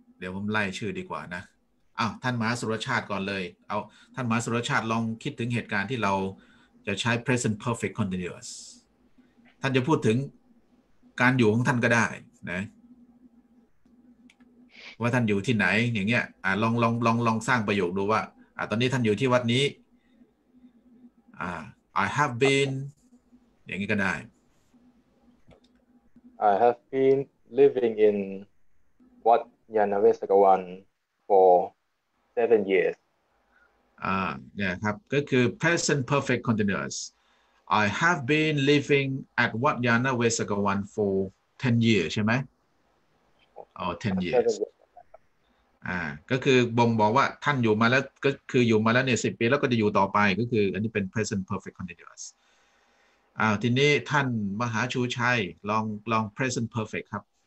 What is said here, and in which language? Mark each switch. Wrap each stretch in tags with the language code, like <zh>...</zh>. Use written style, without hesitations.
<th>วผมไล่ชื่อดีกว่านะท่านมหาสุรชาติก่อนเลยเอาท่านมหาสุรชาติลองคิดถึงเหตุการณ์ที่เราจะใช้ present perfect continuous ท่านจะพูดถึงการอยู่ของท่านก็ได้นะว่าท่านอยู่ที่ไหนอย่างเงี้ยลองสร้างประโยคดูว่าตอนนี้ท่านอยู่ที่วัดนี้</th> <en>I have been</en> <th>อย่างนี้ก็ได้</th> <en>I have been living in Wat Yanavesakawan for 7 years</en> <th>yeah ครับก็คือ present perfect continuous</th> <en>I have been living at Wat Yanavesakawan for 10 years</en> <th>ใช่ไหม10 years ก็คือบ่งบอกว่าท่านอยู่มาแล้วก็คืออยู่มาแล้วเนี่ย10 ปีแล้วก็จะอยู่ต่อไปก็คืออันนี้เป็น present perfect continuous ทีนี้ท่านมหาชูชัยลอง present perfect ครับ</th>